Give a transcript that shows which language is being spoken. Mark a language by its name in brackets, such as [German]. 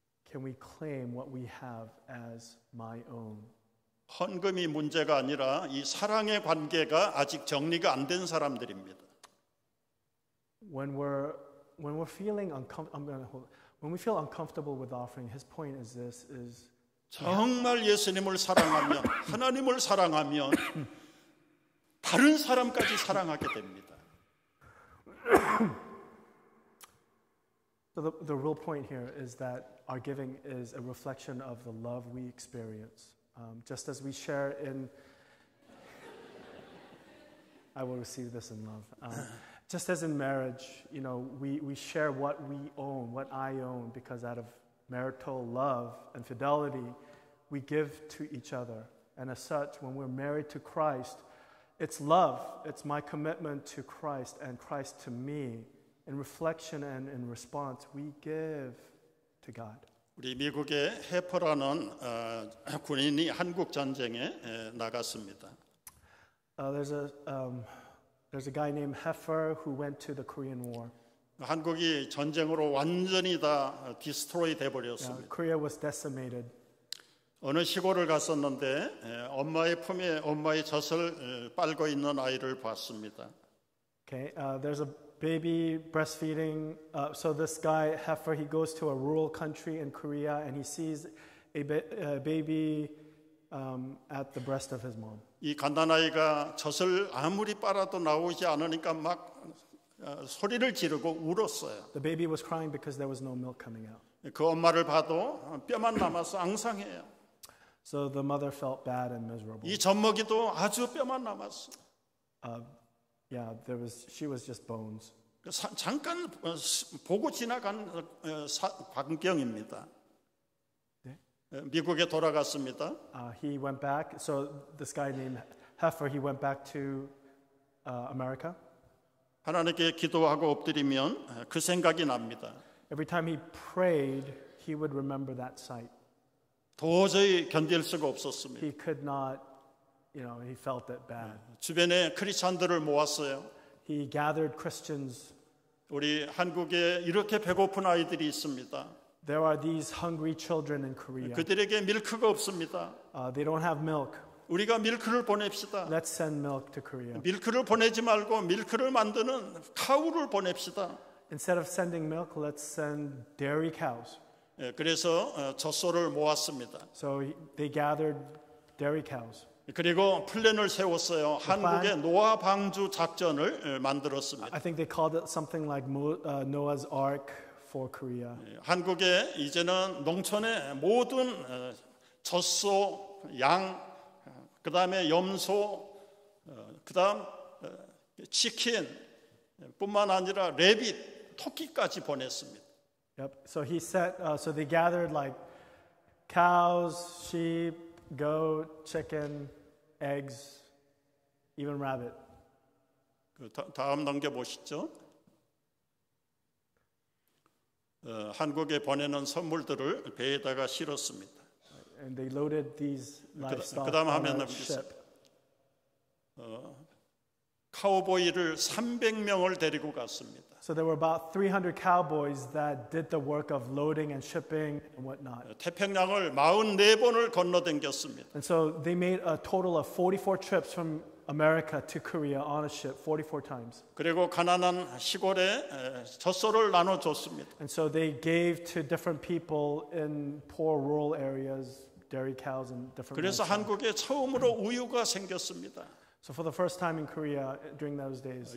[English] Can we claim what we have as my own? [Korean] 헌금이 문제가 아니라 이 사랑의 관계가 아직 정리가 안 된 사람들입니다. [English] When we feel uncomfortable with offering, his point is this: is [Korean] 정말 예수님을 사랑하면 하나님을 사랑하면 다른 사람까지 사랑하게 됩니다. [English] So the real point here is that our giving is a reflection of the love we experience. Just as we share in, I will receive this in love. Just as in marriage, you know, we share what we own, what I own, because out of marital love and fidelity, we give to each other. And as such, when we're married to Christ, it's love. It's my commitment to Christ and Christ to me. In reflection and in response, we give to God. [Korean] 우리 미국의 해퍼라는 군인이 한국 전쟁에 나갔습니다. [English] There's a guy named Heffer who went to the Korean War. [Korean] 한국이 전쟁으로 완전히 다 디스트로이 돼버렸습니다. [English] Korea was decimated. [Korean] 어느 시골을 갔었는데 엄마의 품에 엄마의 젖을 빨고 있는 아이를 봤습니다. [English] Okay, there's a baby breastfeeding. So this guy Heffer, he goes to a rural country in Korea and he sees a baby at the breast of his mom. [Korean] 이 간단아이가 젖을 아무리 빨아도 나오지 않으니까 막 소리를 지르고 울었어요. [English] The baby was crying because there was no milk coming out. [Korean] 그 엄마를 봐도 뼈만 남아서 앙상해요. [English] So the mother felt bad and miserable. [Korean] 이 젖먹이도 아주 뼈만 남았어. [English] Yeah, she was just bones. [Korean] 잠깐 보고 지나간 광경입니다. 미국에 돌아갔습니다. [English] He went back. So this guy named Heffer, he went back to America. [Korean] 하나님께 기도하고 엎드리면 그 생각이 납니다. [English] Every time he prayed, he would remember that sight. [Korean] 도저히 견딜 수가 없었습니다. [English] He could not. You know, he felt it bad. [Korean] 주변에 크리스천들을 모았어요. [English] He gathered Christians. [Korean] 우리 한국에 이렇게 배고픈 아이들이 있습니다. [English] There are these hungry children in Korea. [Korean] 그들에게 밀크가 없습니다. [English] They don't have milk. [Korean] 우리가 밀크를 보냅시다. [English] Let's send milk to Korea. [Korean] 밀크를 보내지 말고 밀크를 만드는 카우를 보냅시다. [English] Instead of sending milk, let's send dairy cows. [Korean] 그래서 젖소를 모았습니다. [English] So they gathered dairy cows. [Korean] 그리고 플랜을 세웠어요. 한국의 노아 방주 작전을 만들었습니다. [English] I think they called it something like Noah's Ark for Korea. [Korean] 한국에 이제는 농촌에 모든 젖소, 양, 그다음에 염소, 그다음 치킨 뿐만 아니라 래빗, 토끼까지 보냈습니다. [English] Yep. So he said so they gathered like cows, sheep, goat, chicken, eggs, even rabbit. [Korean] 다음 넘겨 보시죠. 한국에 보내는 선물들을 배에다가 실었습니다. [English] And they loaded these livestock. 그다음 화면 넘기세요. [Korean] 카우보이를 300명을 데리고 갔습니다. [English] So there were about 300 cowboys that did the work of loading and shipping and whatnot. [Korean] 태평양을 44번을 건너댕겼습니다. [English] And so they made a total of 44 trips from America to Korea on a ship 44 times. [Korean] 그리고 가난한 시골에 젖소를 나눠줬습니다. [English] And so they gave to different people in poor rural areas dairy cows and different. [Korean] 그래서 nations. 한국에 처음으로 우유가 생겼습니다. [English] So for the first time in Korea during those days,